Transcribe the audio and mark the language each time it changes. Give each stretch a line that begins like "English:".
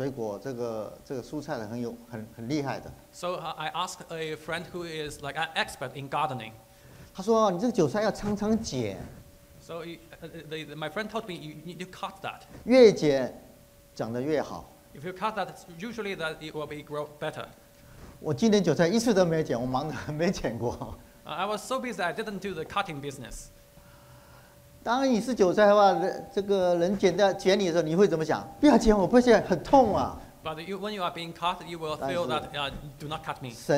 Chinese: 我就问我的朋友，他专门这个种花草、这个水果、这个蔬菜的，很厉害的。
English: So I asked a friend who is like an expert in gardening.
Chinese: 他说：“你这个韭菜要常常剪。”So
English: my friend told me you need to cut that.
Chinese: 越剪，长得越好。If
English: you cut that, usually that it will be grow better.
Chinese: 我今年韭菜一次都没剪，我忙着没剪过。I
English: was so busy I didn't do the cutting business.
Chinese: 当你是韭菜的话，这个人剪掉剪你的时候，你会怎么想？不要剪，我不剪，很痛啊。
English: But you, when you are being cut, you will feel that do not cut me.